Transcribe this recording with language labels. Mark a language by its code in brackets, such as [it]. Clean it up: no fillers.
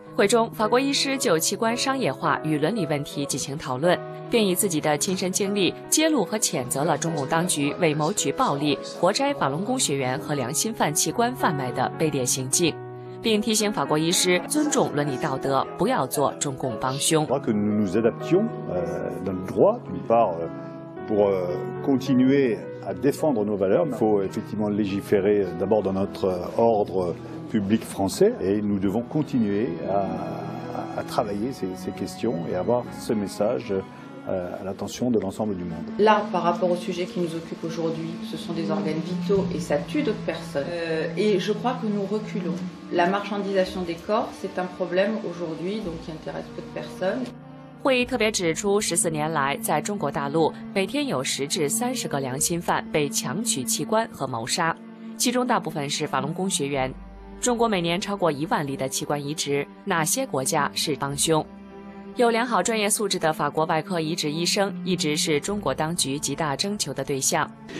[zh] 会中，法国医师就器官商业化与伦理问题进行讨论，并以自己的亲身经历揭露和谴责了中共当局为谋取暴利活摘法轮功学员和良心犯器官贩卖的卑劣行径，并提醒法国医师尊重伦理道德，不要做中共帮凶。 [fr] Je crois que nous nous adaptions dans le droit, d'une part, pour continuer à défendre nos valeurs, il faut effectivement légiférer d'abord dans notre ordre public français, et nous devons continuer à travailler ces questions et avoir ce message à l'attention de l'ensemble du monde. Là, par rapport au sujet qui nous occupe aujourd'hui, ce sont des organes vitaux et ça tue d'autres personnes. Et je crois que nous reculons. La marchandisation des corps, c'est un problème aujourd'hui, donc qui intéresse peu de personnes. [zh] 会议特别指出，14年来在中国大陆每天有10至30个良心犯被强取器官和谋杀，其中大部分是法轮功学员。中国每年超过10000例的器官移植，哪些国家是帮凶？有良好专业素质的法国外科移植医生一直是中国当局极大征求的对象。